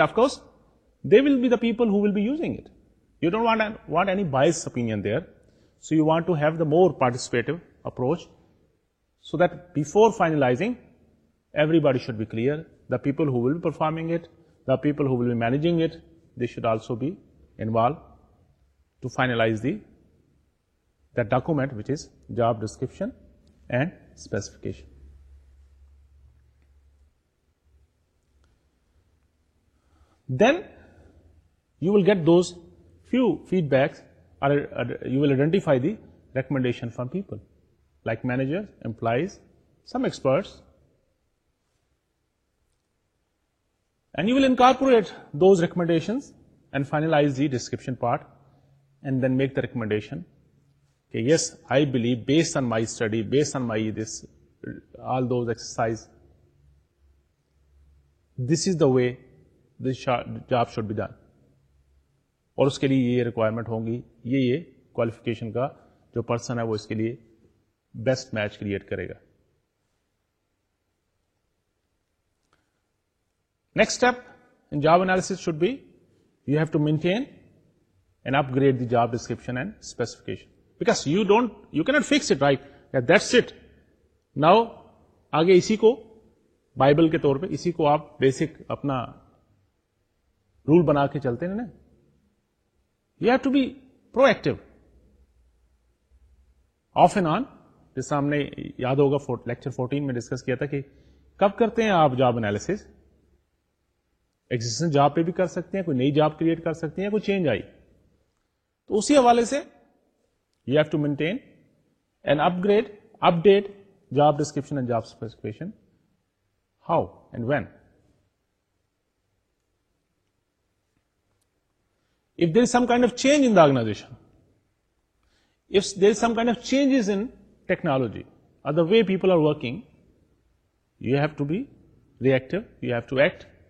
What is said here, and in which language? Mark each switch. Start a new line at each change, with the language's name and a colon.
English: Of course they will be the people who will be using it. You don't want any bias opinion there. So you want to have the more participative approach so that before finalizing, everybody should be clear. The people who will be performing it, the people who will be managing it, they should also be involved to finalize that document, which is job description and specification. Then you will get those few feedbacks. You will identify the recommendation from people like managers, employees, some experts, and you will incorporate those recommendations and finalize the description part and then make the recommendation. Okay, yes, I believe based on my study, based on my this, all those exercise, this is the way this job should be done.
Urdu: اور اس کے لیے یہ requirement ہوں گی, یہ qualification کا جو person ہے وہ اس کے لیے بیسٹ میچ کریٹ کرے گا.
English: Next step in job analysis should be you have to maintain and upgrade the job description and specification, because you can't fix it right, that's it.
Urdu: Now آگے اسی کو Bible کے طور پہ اسی کو آپ بیسک اپنا رول بنا کے چلتے ہیں نا.
English: You have to be proactive. Off and on,
Urdu: جس ہم نے یاد ہوگا لیکچر 14 میں ڈسکس کیا تھا کہ کب کرتے ہیں آپ جاب انالیسز, ایگزسٹنگ جاب پہ بھی کر سکتے ہیں, کوئی نئی جاب کریٹ کر سکتے ہیں, کوئی چینج آئی تو اسی حوالے سے
English: you have to maintain and upgrade, update job description and job specification. How and when? If there is some kind of change in the organization, if there is some kind of changes in technology or the way people are working, you have to be reactive, you have to act.